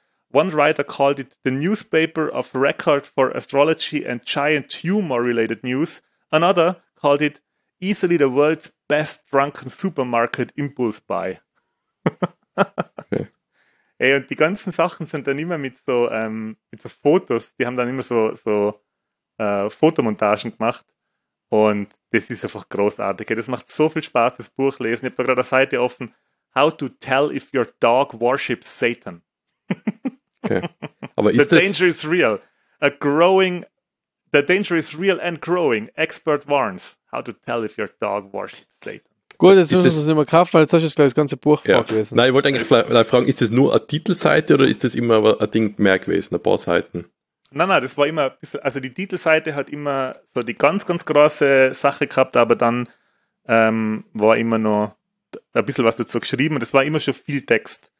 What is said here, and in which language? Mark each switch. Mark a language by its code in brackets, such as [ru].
[en] One writer called it the newspaper of record for astrology and giant tumor-related news. Another called it easily the world's best drunken supermarket impulse buy. Okay. [de] Ey, und die ganzen Sachen sind dann immer mit so Fotos, die haben dann immer so Fotomontagen gemacht. Und das ist einfach großartig. Das macht so viel Spaß, das Buch lesen. Ich habe da gerade eine Seite offen. [en] How to tell if your dog worships Satan. [de] Okay. Aber [en] the danger is real. The danger is real and growing. Expert warns. How to tell if your dog worships Satan. [de] Gut, jetzt müssen wir es nicht mehr kaufen, weil jetzt hast du das ganze Buch vorgelesen. Nein, ich wollte eigentlich fragen, ist das nur eine Titelseite oder ist das immer ein Ding mehr gewesen, ein paar Seiten? Nein, das war immer, also die Titelseite hat immer so die ganz, ganz große Sache gehabt, aber dann war immer noch ein bisschen was dazu geschrieben und es war immer schon viel Text.